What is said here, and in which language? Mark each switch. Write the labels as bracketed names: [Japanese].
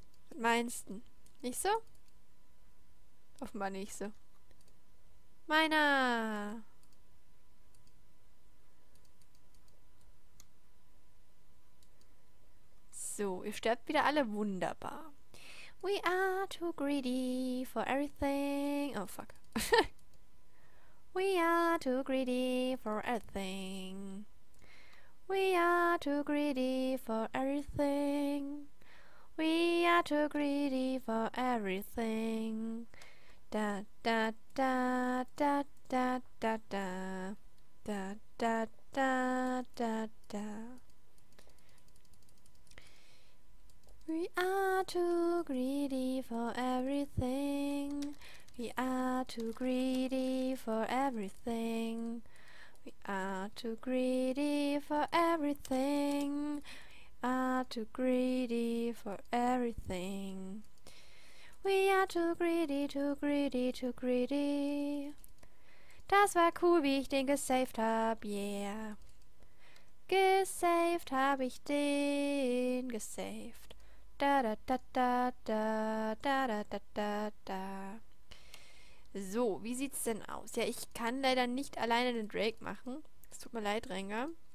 [German] Was meinst du? Nicht so? Offenbar nicht so. Meiner! So, ihr sterbt wieder alle wunderbar. [English] We are too greedy for everything. Oh, fuck. We are too greedy for everything. We are too greedy for everything. We are too greedy for everything. Da, da, da, da, da, da, da, da, da, da, da, da. We are too greedy for everything. We are too greedy for everything. We are too greedy for everything. We are too greedy for everything. We are too greedy, too greedy, too greedy. [German] Das war cool, wie ich den gesaved hab, yeah. Gesaved hab ich den, gesaved. Da da da da da da da da da. So, wie sieht's denn aus? Ja, ich kann leider nicht alleine den Drake machen. Es tut mir leid, Rengar.